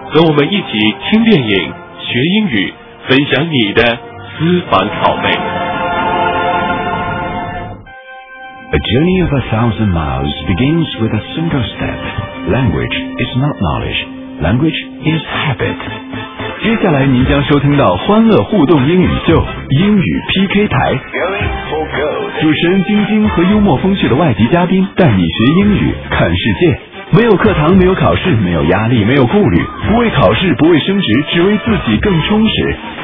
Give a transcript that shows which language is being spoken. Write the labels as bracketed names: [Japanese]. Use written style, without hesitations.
[Chinese] 和我们一起听电影，学英语，分享你的私房拷贝。 [English] A journey of 1,000 miles begins with a single step. Language is not knowledge. Language is habit. [Chinese] 接下来您将收听到欢乐互动英语秀英语 PK 台。主持人晶晶和幽默风趣的外籍嘉宾带你学英语看世界。没有课堂，没有考试，没有压力，没有顾虑，不为考试，不为升职，只为自己更充实。